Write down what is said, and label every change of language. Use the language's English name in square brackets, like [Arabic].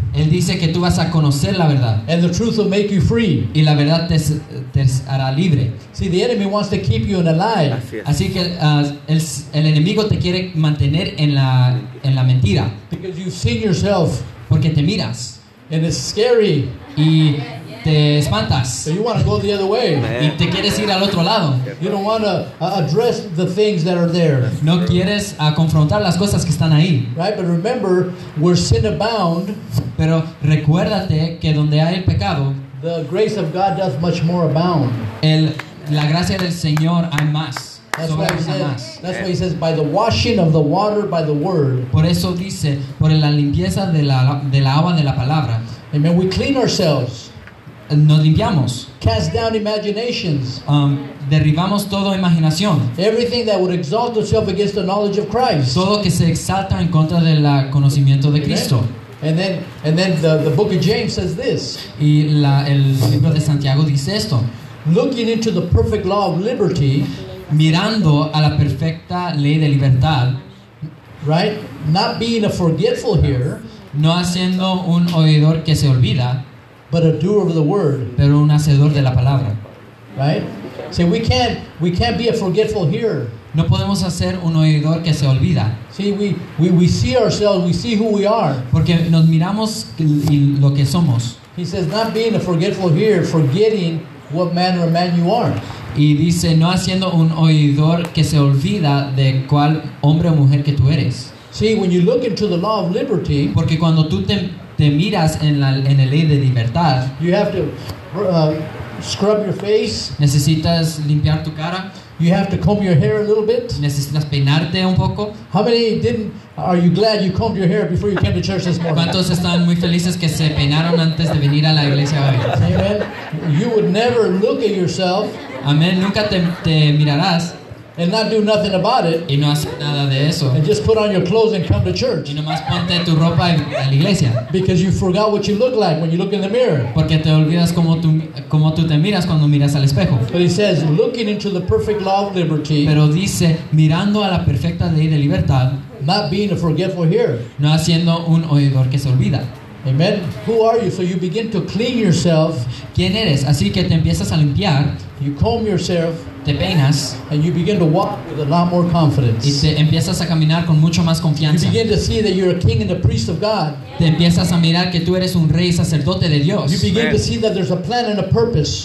[Spanish] Él dice que tú vas a conocer la verdad. [English] And the truth will make you free. [Spanish] Y la verdad te hará libre. [English] See, the enemy wants to keep you in a lie. [Spanish] Así que el enemigo te quiere mantener en la mentira. [English] Because you've seen yourself. [Spanish] Porque te miras. [English] And it's scary. [Spanish] Y te espantas. [English] So you want to go the other way. [Spanish] Y te quieres ir al otro lado. [English] You don't want to address the things that are there. [Spanish] No quieres confrontar las cosas que están ahí. [English] Right, but remember, where sin abound, [Spanish] pero recuérdate que donde hay el pecado, [English] the grace of God does much more abound. [Spanish] La gracia del Señor hay más. [English] That's why he says, by the washing of the water by the word. [Spanish] Por eso dice, por la limpieza de la agua de la palabra. [English] Amen. We clean ourselves. [Spanish] Nos limpiamos. [English] Cast down imaginations. [Spanish] Derribamos toda imaginación. [English] Everything that would exalt itself against the knowledge of Christ. [Spanish] Todo que se exalta en contra del conocimiento de Cristo. [English] And then the book of James says this. [Spanish] Y el libro de Santiago dice esto. [English] Looking into the perfect law of liberty. [Spanish] Mirando a la perfecta ley de libertad. [English] Right? Not being a forgetful here. [Spanish] No haciendo un oidor que se olvida. [English] But a doer of the word. [Spanish] Pero un hacedor de la palabra. [English] Right? See, we can't be a forgetful here. [Spanish] No podemos hacer un oidor que se olvida. [English] See, we see ourselves, we see who we are. [Spanish] Porque nos miramos y lo que somos. [English] He says, not being a forgetful here, forgetting what manner of man you are. [Spanish] Y dice, no haciendo un oidor que se olvida de cuál hombre o mujer que tú eres. [English] See, when you look into the law of liberty, [Spanish] porque cuando tú te miras en la ley de libertad, [English] you have to scrub your face. [Spanish] Necesitas limpiar tu cara. [English] You have to comb your hair a little bit. [Spanish] Necesitas peinarte un poco. [English] How many are you glad you combed your hair before you came to church this morning? [Spanish] ¿Cuántos están muy felices que se peinaron antes de venir a la iglesia hoy? [English] Amen. You would never look at yourself. [Spanish] Amén. Nunca te mirarás. [English] And not do nothing about it. [Spanish] Y no hacer nada de eso. [English] And just put on your clothes and come to church. [Spanish] Y nomás ponte tu ropa a la iglesia. [English] Because you forgot what you look like when you look in the mirror. [Spanish] Porque te olvidas cómo tú te miras cuando miras al espejo. [English] But he says, looking into the perfect law of liberty. [Spanish] Pero dice, mirando a la perfecta ley de libertad. [English] Not being a forgetful here. [Spanish] No haciendo un oidor que se olvida. [English] Amen. Who are you? So you begin to clean yourself. [Spanish] ¿Quién eres? Así que te empiezas a limpiar. [English] You comb yourself. [Spanish] te peinas, [English] and you begin to walk with a lot more confidence. [Spanish] Y te empiezas a caminar con mucho más confianza. [English] You begin to see that you're a king and a priest of God. [Spanish] Te empiezas a mirar que tú eres un rey y sacerdote de Dios. [English] You begin to see that there's a plan and a purpose.